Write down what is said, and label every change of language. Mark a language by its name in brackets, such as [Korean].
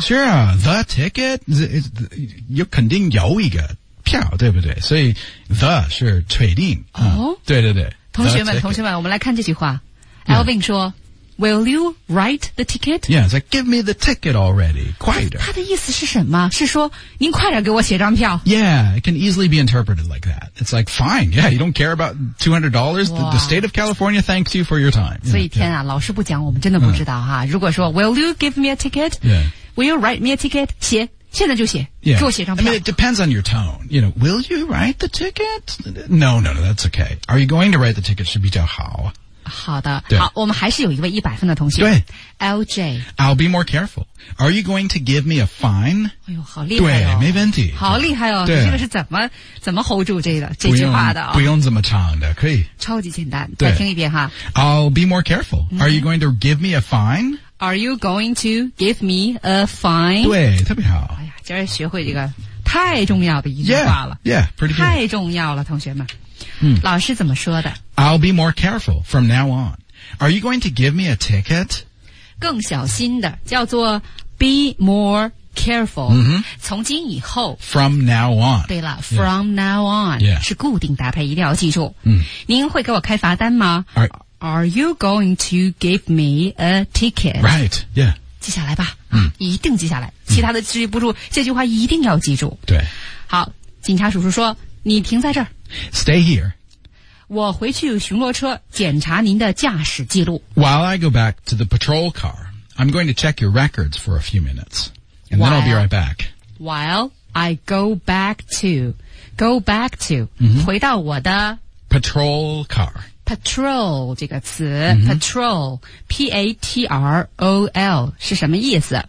[English] Sure, the ticket [Chinese] 有肯定有一个票对不对所以 the 是确定、哦、对对对同学们我们来看这句话、yeah. Alvin 说 [English] Will you write the ticket? Yeah, it's like give me the ticket already [Chinese] 快点他的意思是什么是说您快点给我写张票 [English] Yeah, it can easily be interpreted like that It's like, fine, yeah, you don't care about $200. The state of California thanks you for your time. [Chinese] 所以天啊、yeah. 老师不讲我们真的不知道哈、啊。如果说 [English] will you give me a ticket? Yeah. Will you write me a ticket? [Chinese] 写现在就写、 [English] yeah. [Chinese] 给我写张票。 [English] I mean, it depends on your tone. You know, will you write the ticket? No, that's okay. Are you going to write the ticket? [Chinese] 是比较好。好的好我们还是有一位一百分的同学对 LJ [English] I'll be more careful Are you going to give me a fine? [Chinese] 哎呦好厉害、哦、对没问题好厉害哦这个是怎么 hold 住这句话的、哦、不用这么唱的可以超级简单再听一遍哈 [English] I'll be more careful Are you going to give me a fine? Are you going to give me a fine? [Chinese] 对特别好哎呀今儿学会这个太重要的一句话了 [English] yeah pretty good [Chinese] 太重要了同学们嗯、老师怎么说的 [English] I'll be more careful from now on Are you going to give me a ticket? [Chinese] 更小心的叫做 [English] Be more careful、 mm-hmm. [Chinese] 从今以后 [English] From now on 对了 From、yes. now on、 yeah. [Chinese] 是固定搭配一定要记住、嗯、您会给我开罚单吗 [English] Are you going to give me a ticket? Right, yeah [Chinese] 记下来吧、嗯、一定记下来其他的记不住、嗯、这句话一定要记住对好警察叔叔说你停在这儿 [English] Stay here [Chinese] 我回去巡逻车检查您的驾驶记录 [English] While I go back to the patrol car I'm going to check your records for a few minutes And then I'll be right back While I go back to、 mm-hmm. [Chinese] 回到我的 [English] Patrol car [Chinese] patrol 这个词、mm-hmm. patrol P-A-T-R-O-L 是什么意思